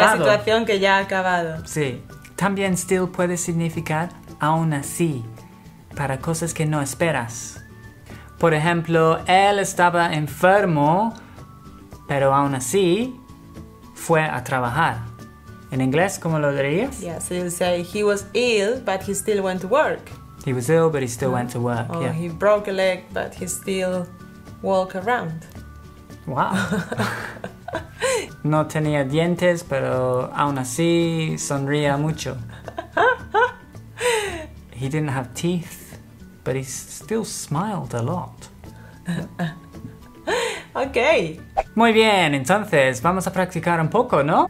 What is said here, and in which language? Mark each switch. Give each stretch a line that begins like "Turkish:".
Spanish: Es una situación que ya ha acabado. Sí. También still puede significar aún así, para cosas que no esperas. Por ejemplo, él estaba enfermo, pero aún así fue a trabajar. ¿En inglés cómo lo dirías?
English: Yeah, so you say he was ill, but he still went to work. He was ill, but he still went to work. Or yeah. He broke a leg, but he still walked around. Wow.
Spanish: No tenía dientes, pero aún así sonría mucho.
English: He didn't have teeth, but he still smiled a lot. Ok.
Spanish: Muy bien, entonces vamos a practicar un poco, ¿no?